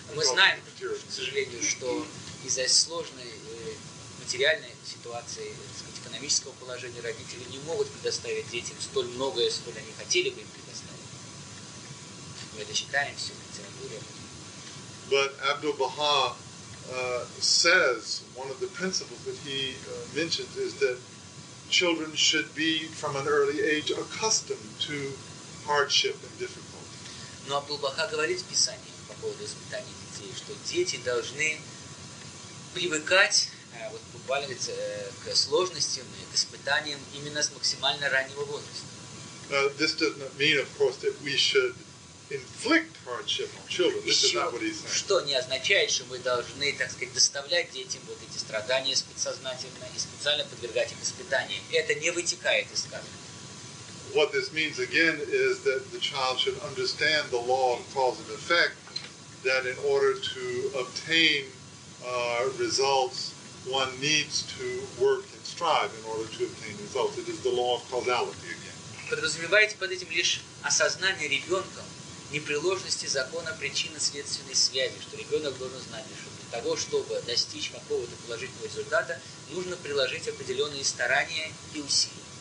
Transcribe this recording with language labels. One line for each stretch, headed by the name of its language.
Russian: Мы знаем, к сожалению, что из-за сложной материальной ситуации, так сказать, экономического положения родители не могут предоставить детям столь многое, сколько они хотели бы им предоставить. Мы это считаем все в литературе.
English: But Abdu'l-Bahá says one of the principles that he mentions is that children should be from an early age accustomed to hardship and difficulty.
Russian: Но Абдул-Баха говорит в Писании по поводу испытаний детей, что дети должны привыкать, вот буквально к сложностям и к испытаниям именно с максимально раннего возраста.
English: This does not mean, of course, that we should inflict hardship on children. This is not what he's saying.
Russian: Что не означает, что мы должны, так сказать, доставлять детям вот эти страдания подсознательно и специально подвергать их испытаниям. Это не вытекает из сказанного.
English: What this means again is that the child should understand the law of cause and effect, that in order to obtain results, one needs to work and strive in order to obtain results. It is the law of causality again.
Russian: Подразумевается под этим лишь осознание ребенком непреложности закона причинно-следственной связи, что ребенок должен знать, что для того, чтобы достичь какого-то положительного результата, нужно приложить определенные старания и усилия.